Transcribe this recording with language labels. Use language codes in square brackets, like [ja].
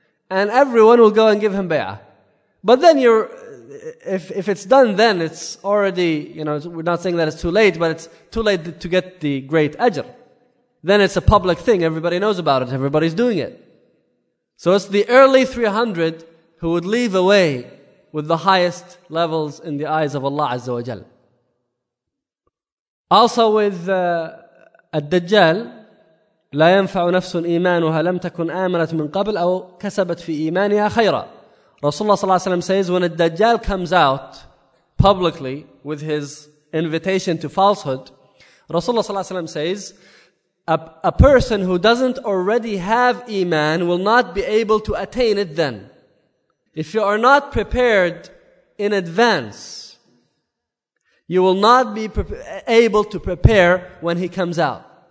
[en] And everyone will go and give him bay'ah. But then if it's done then, it's already, you know, we're not saying that it's too late, but it's too late to get the great ajr. Then it's a public thing, everybody knows about it, everybody's doing it. So it's the early 300 who would leave away with the highest levels in the eyes of Allah Azza wa Jal. Also with al-Dajjal, [ar] لا ينفع نفس إيمانها لم تكن آمنت من قبل أو كسبت في إيمانها خيرا. [en] Rasulullah sallallahu alayhi wa sallam says, when a Dajjal comes out publicly with his invitation to falsehood, Rasulullah sallallahu alayhi wa sallam says, a person who doesn't already have iman will not be able to attain it then. If you are not prepared in advance, you will not be able to prepare when he comes out.